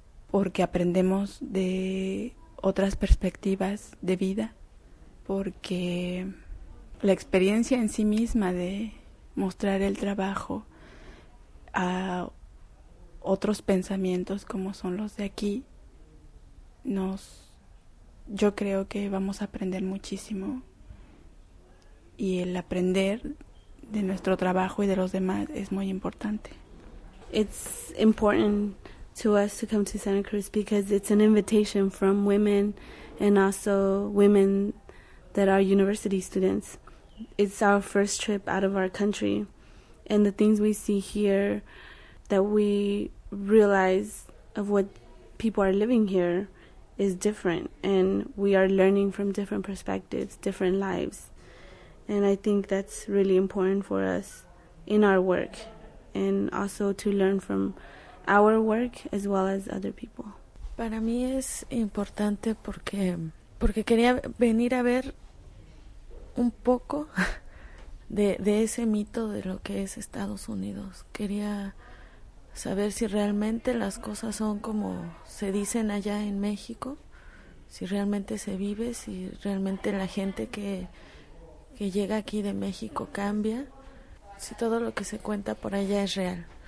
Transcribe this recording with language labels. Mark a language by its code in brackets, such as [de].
[es] porque aprendemos de otras perspectivas de vida, porque la experiencia en sí misma de mostrar el trabajo a otros pensamientos como son los de aquí, yo creo que vamos a aprender muchísimo, y el aprender de nuestro trabajo y de los demás es muy importante. [en] It's important to us to come to Santa Cruz because it's an invitation from women, and also women that are university students. It's our first trip out of our country, and the things we see here that we realize of what people are living here is different, and we are learning from different perspectives, different lives. And I think that's really important for us in our work, and also to learn from our work as well as other people. [es] Para mí es importante porque quería venir a ver un poco de ese mito de lo que es Estados Unidos. Quería saber si realmente las cosas son como se dicen allá en México, si realmente se vive, si realmente la gente que llega aquí de México cambia, si todo lo que se cuenta por allá es real.